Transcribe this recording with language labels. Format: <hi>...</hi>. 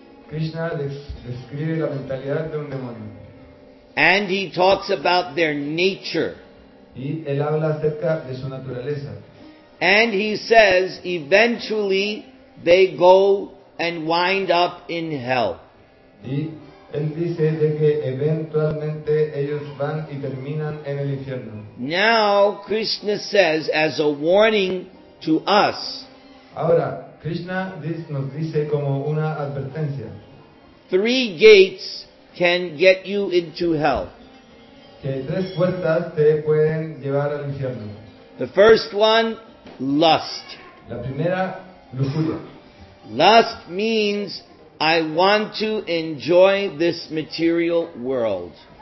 <es>Krishna describe la mentalidad de un demonio.</es> <en>And he talks about their nature.</en> <es>Y él habla acerca de su naturaleza.</es> <en>And he says eventually they go and wind up in hell.</en> <es>Y él dice de que eventualmente ellos van y terminan en el infierno.</es> <en>Now Krishna says as a warning to us.</en> <es>Ahora, Krishna nos dice como una advertencia.</es> <en>Three gates can get you into hell.</en> <es>Que tres puertas te pueden llevar al infierno.</es> <en>The first one, lust.</en> <es>La primera, lujuria.</es> <en>Lust means I want to enjoy this material world.</en>